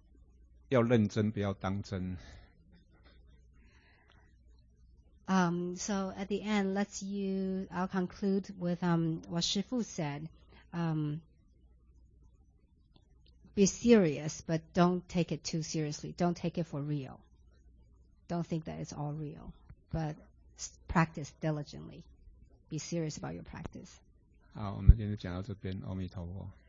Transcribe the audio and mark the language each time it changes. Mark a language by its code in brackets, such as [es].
[zh] 那可能最后可以用出一句话，什么？要认真，不要当真。 [en] So at the end, I'll conclude with what Shifu said. Be serious, but don't take it too seriously. Don't take it for real. Don't think that it's all real, but practice diligently. Be serious about your practice. [zh] 好，我们今天讲到这边，阿弥陀佛。